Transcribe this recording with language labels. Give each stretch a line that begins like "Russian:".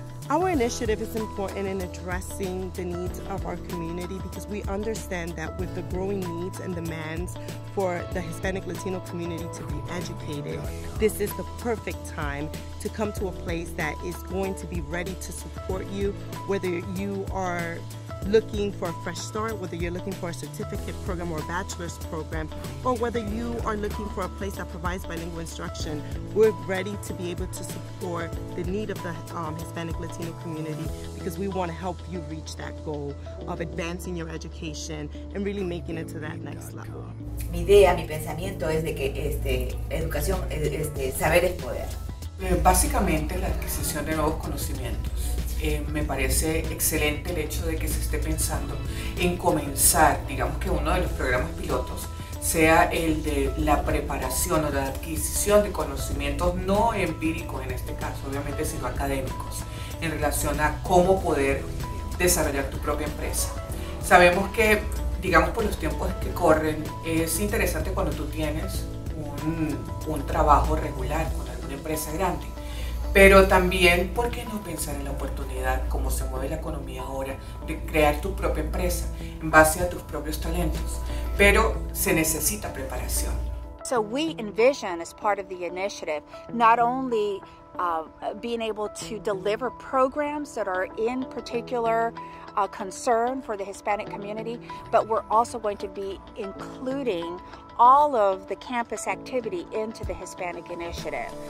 English: Our initiative is important in addressing the needs of our community because we understand that with the growing needs and demands for the Hispanic Latino community to be educated, this is the perfect time to come to a place that is going to be ready to support you, whether you are looking for a fresh start, whether you're looking for a certificate program or a bachelor's program, or whether you are looking for a place that provides bilingual instruction. We're ready to be able to support the need of the Hispanic Latino community because we want to help you reach that goal of advancing your education and really making it to that next level.
Spanish: Mi idea, mi pensamiento es de que educación, saber es poder. Básicamente la adquisición de nuevos conocimientos. Me parece excelente el hecho de que se esté pensando en comenzar, digamos que uno de los programas pilotos sea el de la preparación o la adquisición de conocimientos no empíricos en este caso, obviamente, sino académicos, en relación a cómo poder desarrollar tu propia empresa. Sabemos que, digamos, por los tiempos que corren, es interesante cuando tú tienes un trabajo regular con alguna empresa grande. Pero también, ¿por qué no pensar en la oportunidad, como se mueve la economía ahora, de crear tu propia empresa en base a tus propios talentos? Pero se necesita preparación.
English: So we envision as part of the initiative, not only being able to deliver programs that are in particular a concern for the Hispanic community, but we're also going to be including all of the campus activity into the Hispanic Initiative.